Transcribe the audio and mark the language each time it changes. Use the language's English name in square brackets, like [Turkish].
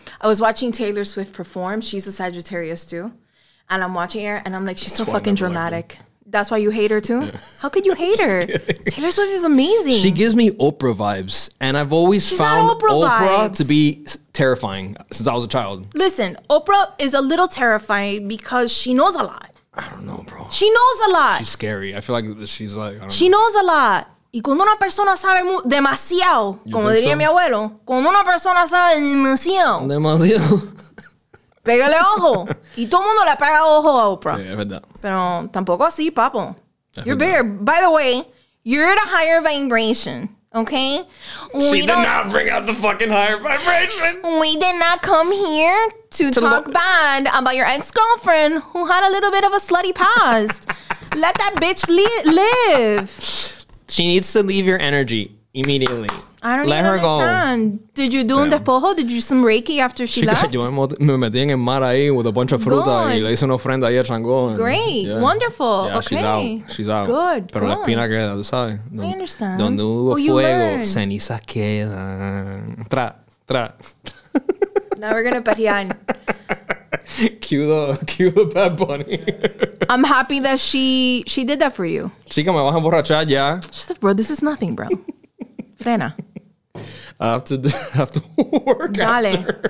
[English] I was watching Taylor Swift perform. She's a Sagittarius too. And I'm watching her and I'm like, she's so fucking dramatic. That's why you hate her too? Yeah. How could you hate her? Kidding. Taylor Swift is amazing. She gives me Oprah vibes. And I've always found Oprah to be terrifying since I was a child. Listen, Oprah is a little terrifying because she knows a lot. I don't know, bro. She knows a lot. She's scary. I feel like she's like, I don't know. She knows a lot. [Spanish] Y cuando una persona sabe demasiado, como diría mi abuelo, cuando una persona sabe demasiado. Demasiado. Pégale ojo. Y todo mundo le pega ojo a Oprah. Sí, es verdad. Pero tampoco así, papo. [English] You're bigger. By the way, you're at a higher vibration. Okay? She did not bring out the fucking higher vibration. We did not come here to talk bad about your ex-girlfriend who had a little bit of a slutty past. Let that bitch live. She needs to leave your energy immediately. I don't let even her understand. Go. Did you do [Spanish] un despojo? [English] Did you do some Reiki after she left? [Spanish] Yo me metí en el mar ahí [English] with a bunch of [Spanish] fruta y le hice una ofrenda ahí a Changó. [English] Great. Yeah. Wonderful. Yeah, okay. She's out. Good. [Spanish] Pero la espina queda, tú sabes. [English] I understand. [Spanish] Donde hubo fuego, ceniza queda. Tra, tra. [English] Now we're going to parian. Cue the Bad Bunny. I'm happy that she did that for you. [Spanish] Chica, me vas a emborrachar ya. [English] She's like, bro, this is nothing, bro. [Spanish] Frena. [English] I have to work. Dale, after.